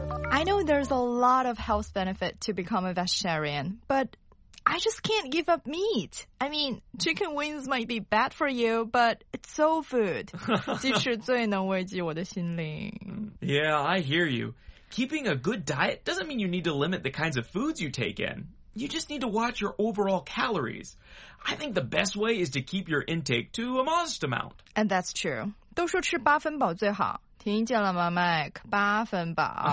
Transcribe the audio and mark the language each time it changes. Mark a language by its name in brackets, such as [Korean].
[English] I know there's a lot of health benefit to become a vegetarian, but I just can't give up meat. I mean, chicken wings might be bad for you, but it's soul food. [Chinese] 鸡翅最能慰藉我的心灵。 [English] Yeah, I hear you. Keeping a good diet doesn't mean you need to limit the kinds of foods you take in. You just need to watch your overall calories. I think the best way is to keep your intake to a modest amount. And that's true. [Chinese] 都说吃八分饱最好。听见了吗 ,Mike? 八分饱。